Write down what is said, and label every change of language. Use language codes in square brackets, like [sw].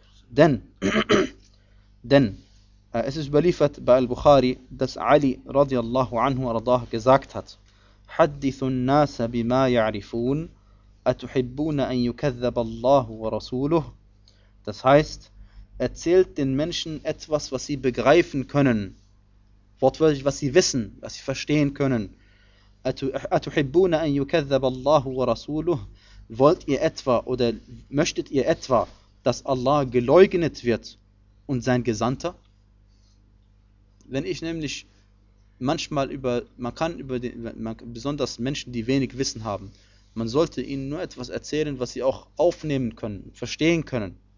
[de] Denn es ist überliefert bei Al-Bukhari, dass Ali radiallahu anhu radah gesagt hat, [ar] حدثوا الناس بما يعرفون أتحبون أن يكذب الله ورسوله. [de] Das heißt, erzählt den Menschen etwas, was sie begreifen können, wortwörtlich, was sie wissen, was sie verstehen können. [ar] أتحبون أن يكذب الله ورسوله. [de] Wollt ihr etwa oder möchtet ihr etwa, dass Allah geleugnet wird und sein Gesandter? Wenn ich nämlich manchmal besonders Menschen, die wenig Wissen haben, man sollte ihnen nur etwas erzählen, was sie auch aufnehmen können, verstehen können.